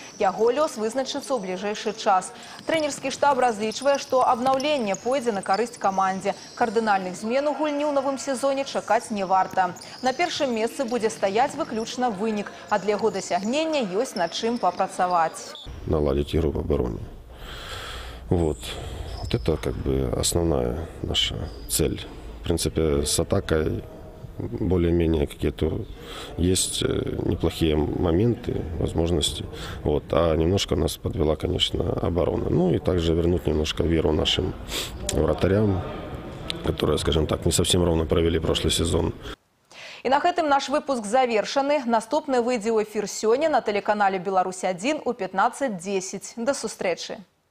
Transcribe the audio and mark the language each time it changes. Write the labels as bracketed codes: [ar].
[be] Яго лёс вызначыцца ў бліжэйшы час. Трэнерскі штаб разлічвае, што абнаўленне пойдзе на карысць камандзе. Кардынальных змен у гульні ў новым сезоне чакаць не варта. На першым месцы будзе стаяць выключна вынік, а для яго дасягнення ёсць над чым папрацаваць. [ru] Наладить игру в обороне. Вот. Вот это как бы основная наша цель. В принципе, с атакой более-менее какие-то есть неплохие моменты, возможности. Вот. А немножко нас подвела, конечно, оборона. Ну и также вернуть немножко веру нашим вратарям, которые, скажем так, не совсем ровно провели прошлый сезон. [be] І на гэтым наш выпуск завершаны. Наступны выйдзе ў эфір сёння на тэлеканале «Беларусь-1» у 15:10. Да сустрэчы!